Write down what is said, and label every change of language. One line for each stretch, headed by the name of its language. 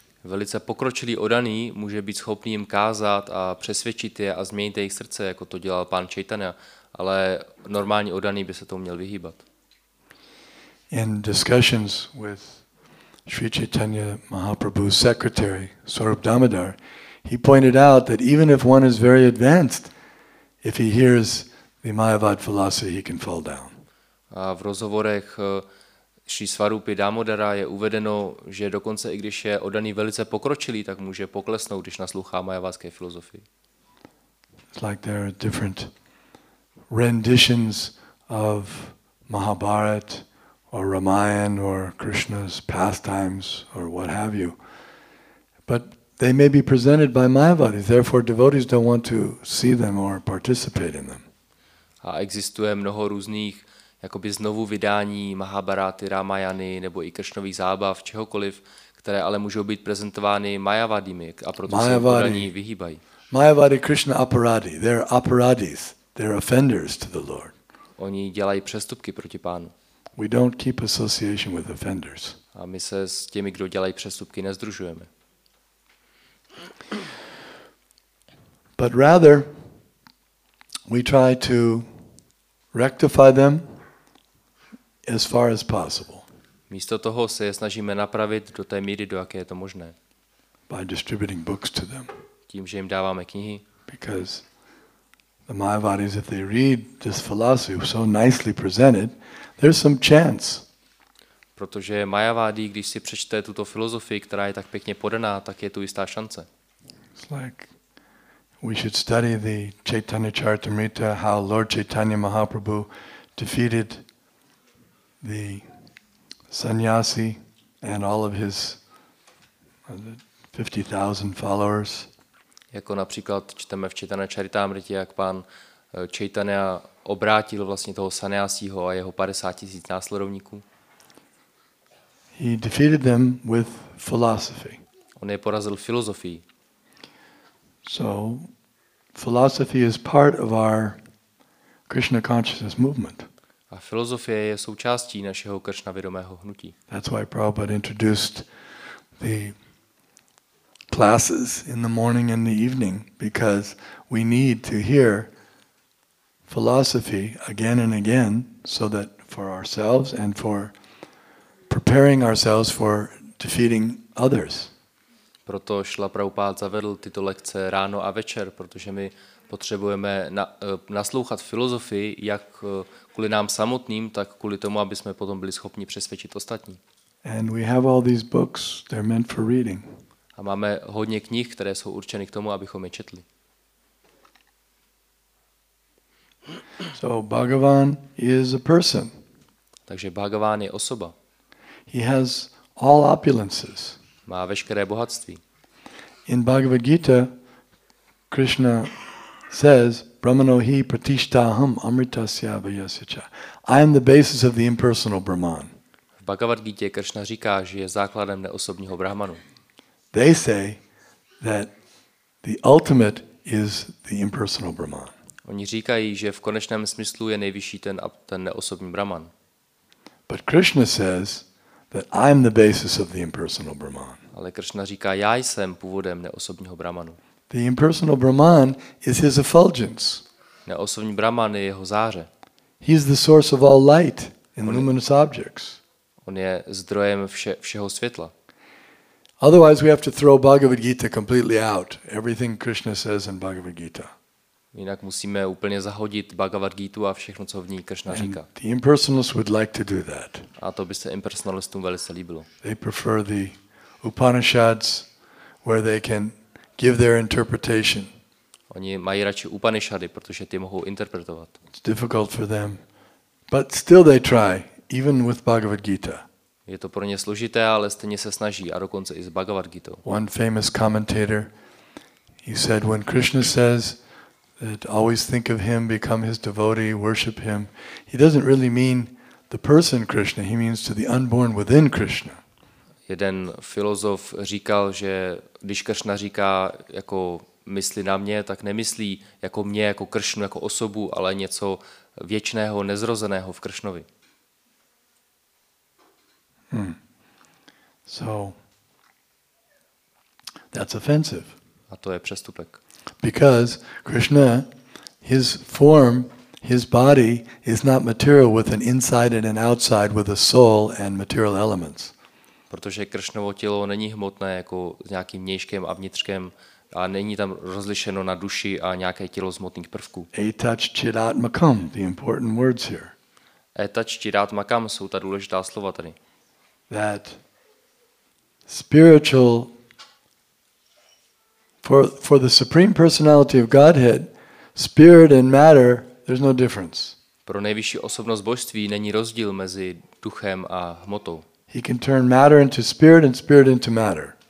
Czech: Velice pokročilý odaný může být schopný jim kázat a přesvědčit je a změnit jejich srdce, jako to dělal pán Chaitanya, ale normální odaný by se tomu měl vyhýbat.
English: In discussions with Sri Chaitanya Mahaprabhu's secretary, Swarup Damodar, He pointed out that even if one is very advanced, if he hears the Mayavad philosophy, he can fall down.
Czech: A v rozhovorech Šri Svarupy Dámodara je uvedeno, že dokonce i když je oddaný velice pokročilý, tak může poklesnout, když naslouchá majavátské filozofii.
English: It's like there are different renditions of Mahabharat or Ramayana or Krishna's pastimes or what have you. But they may be presented by Mayavadis, therefore devotees don't want to see them or participate in them.
Czech: A existuje mnoho různých jakoby znovu vydání Mahabharaty, Ramayany nebo i Kršnových zábav, čehokoliv, které ale můžou být prezentovány Mayavadimi a proto Mayavadi, se podaní vyhýbají.
Sanskrit: Mayavadi Krishna aparadi,
English: they're aparadis, they're offenders to the Lord.
Czech: Oni dělají přestupky proti Pánu.
English: We don't keep association with offenders.
Czech: A my se s těmi, kdo dělají přestupky, nezdružujeme.
English: But rather, we try to rectify them as far as possible.
Czech: Místo toho se je snažíme napravit do té míry, do jaké je to možné.
English: By distributing books to them.
Czech: Tím, že jim dáváme knihy.
English: Because the Mayavadis, if they read this philosophy so nicely presented, there's some chance.
Czech: Protože Mayavadi, když si přečte tuto filozofii, která je tak pěkně podaná, tak je tu jistá šance.
English: It's like we should study the Chaitanya Charitamrita, how Lord Chaitanya Mahaprabhu defeated the sannyasi and all of his 50,000 followers.
Czech: Jako například čteme v Chaitanya Charitamritě, jak pán Chaitanya obrátil vlastně toho sannyasiho a jeho 50,000 následovníků.
English: He defeated them with philosophy.
Czech: On je porazil filozofii.
English: So philosophy is part of our Krishna consciousness movement.
Czech: A filozofie je součástí našeho Kršna vědomého hnutí.
English: That's why Prabhupada introduced the classes in the morning and the evening, because we need to hear philosophy again and again, so that for ourselves and for preparing ourselves for defeating others.
Czech: Proto Šrila Prabhupáda zavedl tyto lekce ráno a večer, protože my potřebujeme naslouchat filozofii jak kvůli nám samotným, tak kvůli tomu, aby jsme potom byli schopni přesvědčit ostatní.
English: And we have all these books, they're meant for reading.
Czech: A máme hodně knih, které jsou určeny k tomu, abychom je četli.
English: So Bhagavan is a person.
Czech: Takže Bhagavan je osoba.
English: He has all opulences.
Czech: Má veškeré bohatství.
English: In Bhagavad Gita Krishna says
Sanskrit: Brahmano hi pratishtaham amritasya vayasya.
English: I am the basis of the impersonal Brahman.
Czech: V Bhagavad Gita Krishna říká, že je základem neosobního Brahmanu.
English: They say that the ultimate is the impersonal Brahman.
Czech: Oni říkají, že v konečném smyslu je nejvyšší ten neosobní Brahman.
English: But Krishna says that I am the basis of the impersonal Brahman.
Czech: Ale Krishna říká, já jsem původem neosobního Brahmanu.
English: The impersonal Brahman is his effulgence.
Czech: Neosobní Brahman je jeho záře.
English: He is the source of all light in luminous objects.
Czech: On je zdrojem všeho světla.
English: Otherwise we have to throw Bhagavad Gita completely out. Everything Krishna says in Bhagavad Gita.
Czech: Jinak musíme úplně zahodit Bhagavad Gitu a všechno, co v ní Krishna říká.
English: The impersonalists would like to do that.
Czech: A to by se impersonalistům velice líbilo.
English: They prefer the Upanishads, where they can give their interpretation.
Czech: Oni mají radši Upanishady, protože ty mohou interpretovat.
English: It's difficult for them, but still they try, even with Bhagavad Gita.
Czech: Je to pro ně složité, ale stejně se snaží, a dokonce i s Bhagavad Gitou.
English: One famous commentator, he said, when Krishna says that always think of him, become his devotee, worship him, he doesn't really mean the person Krishna, he means to the unborn within Krishna.
Czech: Jeden filozof říkal, že když Kršna říká jako mysli na mě, tak nemyslí jako mě, jako Kršnu, jako osobu, ale něco věčného, nezrozeného v Kršnovi.
English: So that's offensive.
Czech: A to je přestupek.
English: Because Krishna, his form, his body is not material with an inside and an outside with a soul and material elements.
Czech: Protože Kršnovo tělo není hmotné jako s nějakým vnějškem a vnitřkem a není tam rozlišeno na duši a nějaké tělo z hmotných prvků.
English: Etacchidatmakam, the important words here.
Czech: Etacchidatmakam jsou ta důležitá slova tady.
English: That spiritual for the supreme personality of Godhead, spirit and matter, there's no difference.
Czech: Pro nejvyšší osobnost božství není rozdíl mezi duchem a hmotou.
English: He can turn matter into spirit and spirit into matter.